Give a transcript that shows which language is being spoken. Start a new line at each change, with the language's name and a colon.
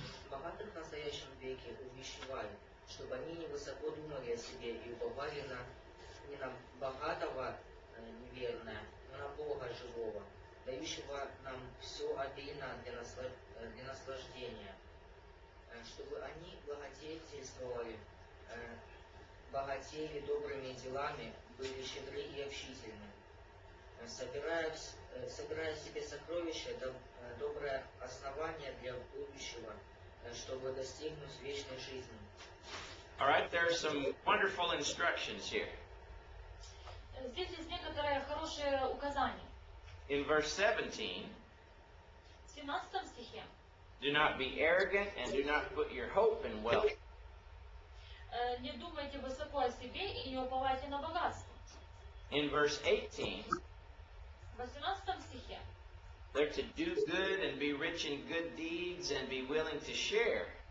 Russian: Богатых в настоящем веке увещевали, чтобы они не высоко думали о себе и уповали не на богатого неверное, но на Бога живого, дающего нам все обильно для наслаждения, чтобы они благодетельствовали, богатели добрыми делами, были щедры и общительны, собирая себе сокровища, доброе основание для будущего, чтобы достигнуть вечной жизни.
English: All right, there are some wonderful instructions here.
Russian: Здесь есть некоторые хорошие указания.
English: In verse 17,
Russian: в 17 стихе,
English: do not be arrogant and do not put your hope in wealth.
Russian: Не думайте высоко о себе и не уповайте на богатство.
English: In verse 18,
Russian: в 18 стихе,
English: they're to do good and be rich in good deeds and be willing to share.